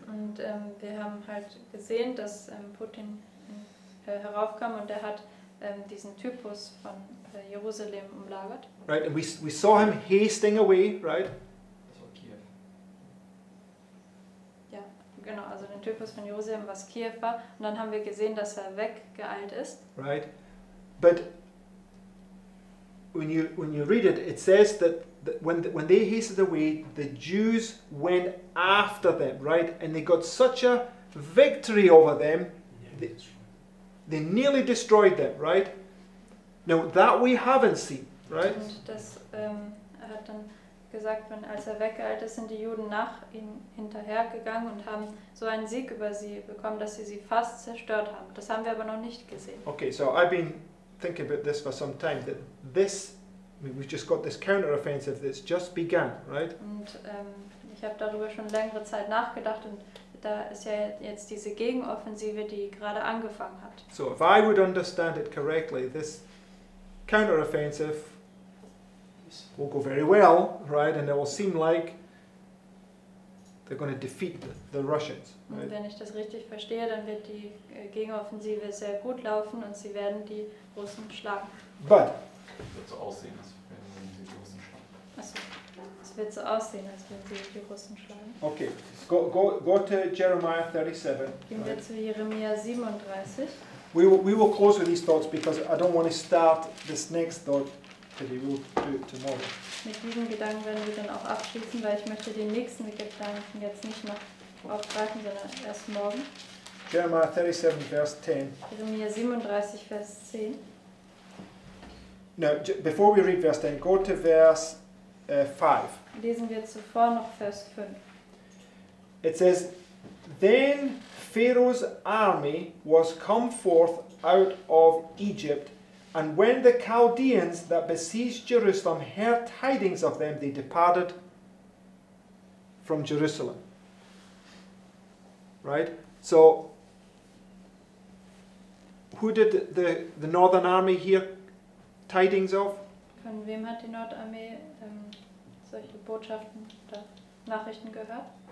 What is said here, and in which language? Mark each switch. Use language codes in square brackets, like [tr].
[de] Und wir haben halt gesehen, dass Putin heraufkam und er hat diesen Typus von Jerusalem umlagert. [en] Right, and we saw him hasting away, right? [de] Das war Kiew. Ja, genau, also den Typus von Jerusalem, was Kiew war. Und dann haben wir gesehen, dass er weggeeilt ist. [en] Right. But when you read it, it says that when they hastened away, the Jews went after them, right? And they got such a victory over them, they nearly destroyed them, right? Now that we haven't seen, right? [de] Und das hat dann gesagt, wenn als er weggeeilt ist, sind die Juden nach ihm hinterhergegangen und haben so einen Sieg über sie bekommen, dass sie sie fast zerstört haben. Das haben wir aber noch nicht gesehen. [en] Okay, so I've been think about this for some time, that this, I mean, we've just got this counter-offensive that's just begun, right? [de] Und ich habe darüber schon längere Zeit nachgedacht und da ist ja jetzt diese Gegenoffensive, die gerade angefangen hat. [en] So if I would understand it correctly, this counter-offensive this will go very well, right? And it will seem like they're going to defeat the Russians. Right? [de] Und wenn ich das richtig verstehe, dann wird die Gegenoffensive sehr gut laufen und sie werden die Russen schlagen. [en] But [de] wird so aussehen, als würden sie die Russen schlagen. Achso. Es wird so aussehen, als würden sie die Russen schlagen. [en] Okay. Go to Jeremiah 37. [de] Gehen wir zu Jeremia 37. [en] We will close with these thoughts because I don't want to start this next thought today. We'll do it tomorrow. [de] Mit diesen Gedanken werden wir dann auch abschließen, weil ich möchte den nächsten Gedanken jetzt nicht noch aufgreifen, sondern erst morgen. [en] Jeremiah 37, verse 10. [de] Jeremia 37, Vers 10. [en] Now, before we read verse 10, go to verse 5. [de] Lesen wir zuvor noch Vers 5. [en] It says, then Pharaoh's army was come forth out of Egypt, and when the Chaldeans that besieged Jerusalem heard tidings of them, they departed from Jerusalem. Right? So, who did the northern army hear tidings of? [de] Von wem hat die Nordarmee solche Botschaften oder Nachrichten gehört?